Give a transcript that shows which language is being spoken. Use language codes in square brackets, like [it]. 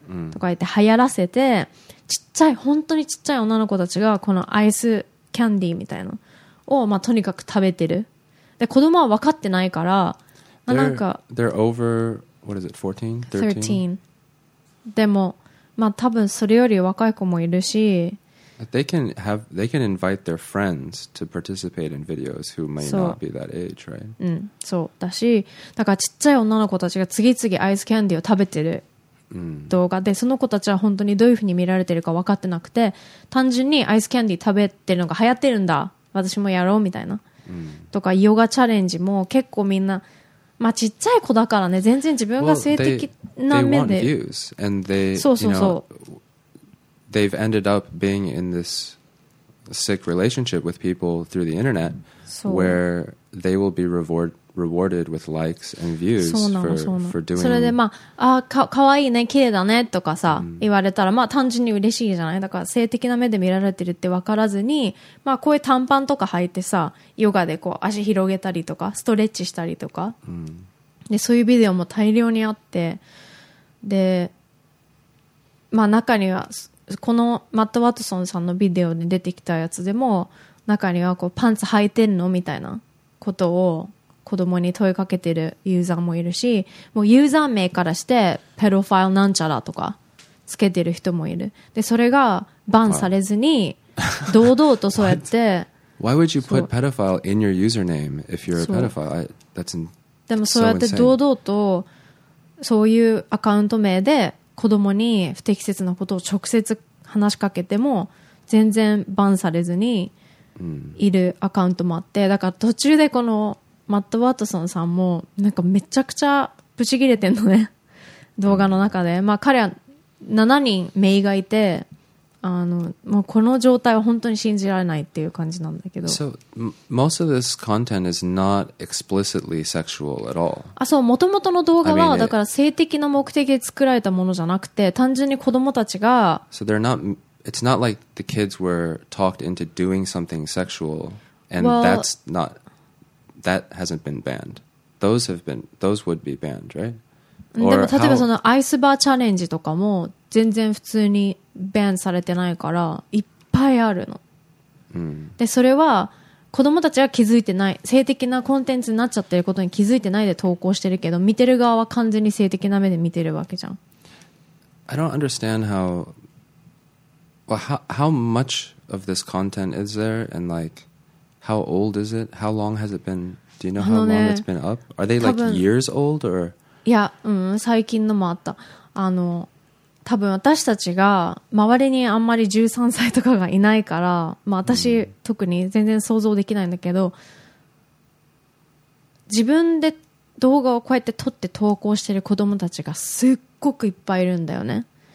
[ja] とか言って流行らせて、ちっちゃい、本当にちっちゃい女の子たちがこのアイスキャンディーみたいな。をまあとにかく食べてる。で子供は分かってないから、まあ、なんか [en] they're over what is it 14 13 [ja] でもまあ多分それより若い子もいるし、 [en] they can invite their friends to participate in videos who may not be that age, right? [ja] うん、そうだし、だからちっちゃい女の子たちが次々アイスキャンディーを食べてる動画で、その子たちは本当にどういうふうに見られてるか分かってなくて、単純にアイスキャンディー食べてるのが流行ってるんだ。私もやろうみたいな、とかヨガチャレンジも結構みんな、まあちっちゃい子だからね、全然自分が性的な目で、 [en] they want views and they, [ja] そうそうそう、 [en] you know, they've ended up being in this sick relationship with people through the internet, where they will be rewarded with likes and views for doing, [ja] それでまあ、あ、かわいいね、綺麗だねとかさ、言われたらまあ単純に嬉しいじゃない。だから性的な目で見られてるって分からずに、まあこういう短パンとか履いてさ、ヨガでこう足広げたりとかストレッチしたりとか、でそういうビデオも大量にあって、でまあ中にはこのマット・ワトソンさんのビデオに出てきたやつでも、中にはこうパンツ履いてんのみたいなことを子供に問いかけてるユーザーもいるし、もうユーザー名からしてペロファイルなんちゃらとかつけてる人もいる。でそれがバンされずに堂々とそうやって [en] Why would you put pedophile in your username if you're a pedophile? That's insane. [ja] でもそうやって堂々とそういうアカウント名で子供に不適切なことを直接話しかけても全然バンされずにいるアカウントもあって、だから途中でこのマット・ワトソンさんもなんかめちゃくちゃブチ切れてんのね動画の中で、まあ彼は7人メイがいて、あのもうこの状態は本当に信じられないっていう感じなんだけど、 [en] So most of this content is not explicitly sexual at all. [ja] あ、そう、もともとの動画はだから性的な目的で作られたものじゃなくて、単純に子供たちが、 [en] So they're not, it's not like the kids were talked into doing something sexual and that's notThat hasn't been banned. Those would be banned, right? [ja] でも例えばそのアイスバーチャレンジとかも全然普通にバンされてないからいっぱいあるの。でそれは子供たちは気づいてない、性的なコンテンツになっちゃってることに気づいてないで投稿してるけど、見てる側は完全に性的な目で見てるわけじゃん。 [en] I don't understand how much of this content is there and likeHow old is it? How long has it been? Do you know how long it's been up? Are they like years old or? [ja] Yeah, 最近のもあった。あの、多分私たちが周りにあんまり13歳とかがいないから、まあ私特に全然想像できないんだけど、自分で動画をこうやって撮って投稿してる子供たちがすっごくいっぱいいるんだよね。